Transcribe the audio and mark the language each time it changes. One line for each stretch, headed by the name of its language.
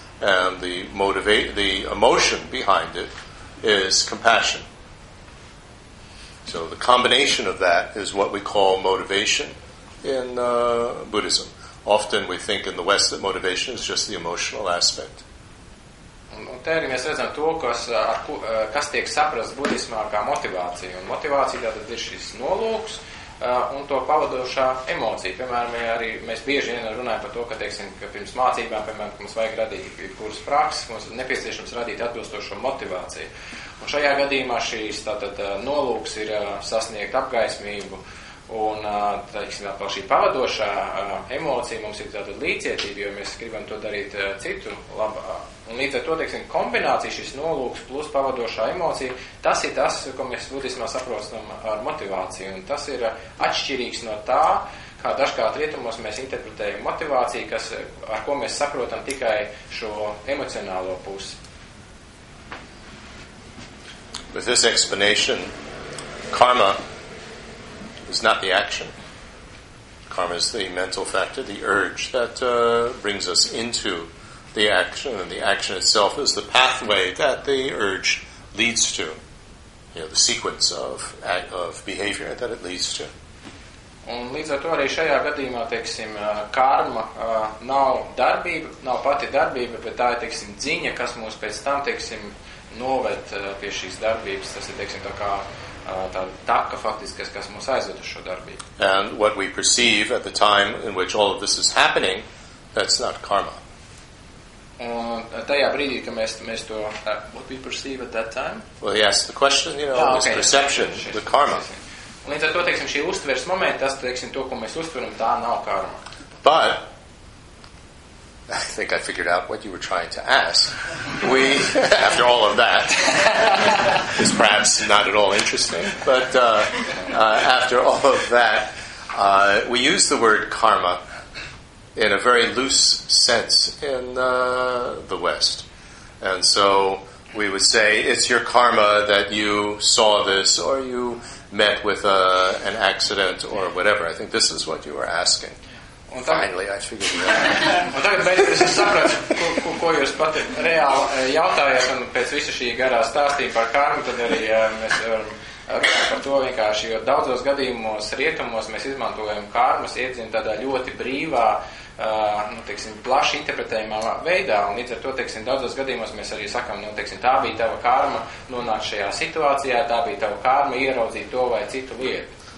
English: And the emotion behind it is compassion. So the combination of that is what we call motivation in Buddhism. Often we think in the West that motivation is just the emotional aspect.
Latvian: Un te arī mēs redzam to, kas tiek saprast budismā kā motivācija. Un motivācija tātad ir šis nolūks un to pavadošā emocija. Piemēram, mēs bieži vien runājam par to, ka, teiksim, ka pirms mācībām, piemēram, mums vajag radīt kuras prakses, mums nepieciešams radīt atbilstošo motivāciju. Un šajā gadījumā šīs tātad nolūks ir sasniegt apgaismību, Un, teiksim, par šī pavadošā emocija mums ir tāda līdzietība, jo mēs gribam to darīt citu labā. Un līdz ar to, teiksim, kombinācija šis nolūks plus pavadošā emocija, tas ir tas, ko mēs būtismā saprotam ar motivāciju. Un tas ir atšķirīgs no tā, kā dažkārt rietumos mēs interpretējam motivāciju, kas, ar ko mēs saprotam tikai šo emocionālo pusi.
English: With this explanation, karma is not the action. Karma is the mental factor, the urge that brings us into the action, and the action itself is the pathway that the urge leads to, you know, the sequence of behavior that it leads to.
Latvian: Un līdz ar to arī šajā gadījumā, teiksim, karma nav darbība, nav pati darbība, bet tā ir, teiksim, dziņa, kas mūs pēc tam, teiksim, noved pie šīs darbības. Tas ir, teiksim, tā kā taka faktiski, kas mūs aizved uz šo darbību.
English: And what we perceive at the time in which all of this is happening, that's not karma.
Latvian: Un tajā brīdī, ka mēs to,
English: what we perceive at that time? Well, he asked the question, you know, his perception, the karma.
Latvian: Un līdz ar to, teiksim, šī uztveres momenta, tas, teiksim, to, ko mēs uztveram, tā nav karma.
English: But, I think I figured out what you were trying to ask. We, after all of that, is perhaps not at all interesting, but after all of that, we use the word karma in a very loose sense in the West. And so we would say, it's your karma that you saw this, or you met with an accident, or whatever. I think this is what you were asking.
Latvian: Un tagad,
English: finally, I figured it out.
Latvian: Un tagad beidzies es sapratu, ko jūs pati reāli jautājat, un pēc visu šī garā stāstīja par karmu, tad arī mēs varam runāt par to vienkārši, jo daudzos gadījumos rietumos mēs izmantojam kārmas iedzinu tādā ļoti brīvā, nu, teiksim, plaši interpretējumā veidā, un līdz ar to, teiksim, daudzos gadījumos mēs arī sakam, nu, teiksim, tā bija tava kārma nonākt šajā situācijā, tā bija tava kārma ieraudzīt to vai citu lietu.